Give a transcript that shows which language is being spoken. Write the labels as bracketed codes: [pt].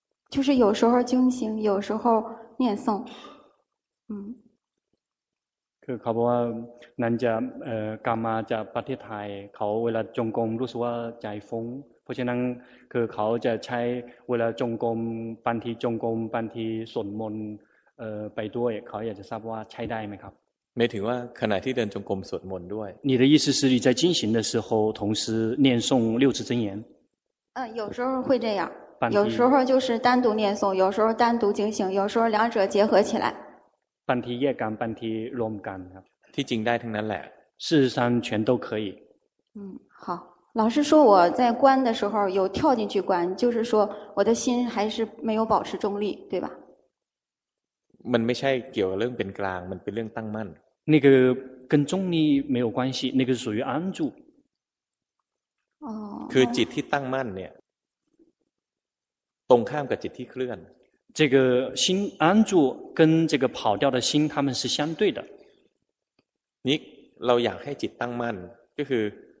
[zh] 就是有时候静行，有时候念诵， [th] คือเขาบอกว่านั่นจะกามาจากประเทศไทยเขาเวลาจงกรมรู้สึกว่าใจฟุ้งเพราะฉะนั้นคือเขาจะใช้เวลาจงกรมบางทีจงกรมบางทีสวดมนต์ไปด้วยเขาอยากจะทราบว่าใช้ได้ไหมครับ หมายถึงว่าขณะที่เดินจงกรมสวดมนต์ด้วย [zh] 你的意思是你在进行的时候同时念诵六字真言有时候会这样有时候就是单独念诵有时候单独静行有时候两者结合起来 [th] บางทีแยกกันบางทีรวมกันครับ ที่จริงได้ทั้งนั้นแหละ [zh] 事实上全都可以好老师说我在观的时候有跳进去观就是说我的心还是没有保持中立对吧 [th] มันไม่ใช่เกี่ยวกับเรื่องเป็นกลางมันเป็นเรื่องตั้งมั่น [zh] 那个跟中立没有关系那个属于安住 [th] คือจิตที่ตั้งมั่นเนี่ยตรงข้ามกับจิตที่เคลื่อน [zh] 这个心安住跟这个跑掉的心，他们是相对的。你，我们想要心安住，就是知道它在跑掉。